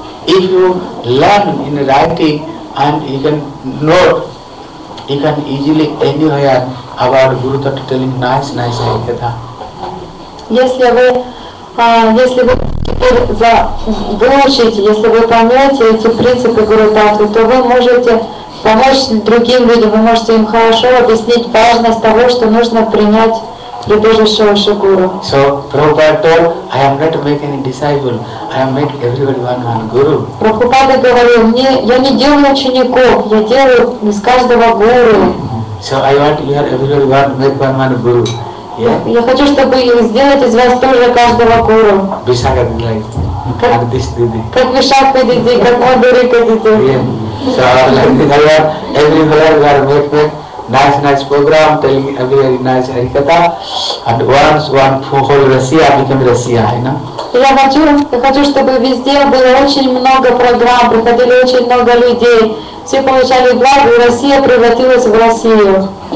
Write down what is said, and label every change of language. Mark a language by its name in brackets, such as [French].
[English] If you learn in writing and you can note, you can easily anywhere about Guru Tattva telling nice Haikata. [Russian] Если вы поймете эти принципы Guru Tattva, то вы можете помочь другим людям, вы можете им хорошо объяснить важность того, что нужно принять. [English] So, Prabhupada told, I am not to make any disciple, I am make everybody one guru. [Russian] Prabhupada говорил, я не делаю учеников, я делаю из каждого гуру. [English] So, I want to hear everybody make one guru. Yeah. [Russian] Я хочу, чтобы сделать из вас тоже каждого гуру. Как Вишакха Диди, как Мадурика Диди. [English] Yeah. So, like, I want everybody make nice program, telling a very nice Harikatha, and once whole Russia became Russia, you know? [Russian] Я хочу, чтобы везде было очень много программ, приходили очень много людей, все получали благо, и Россия превратилась в Россию.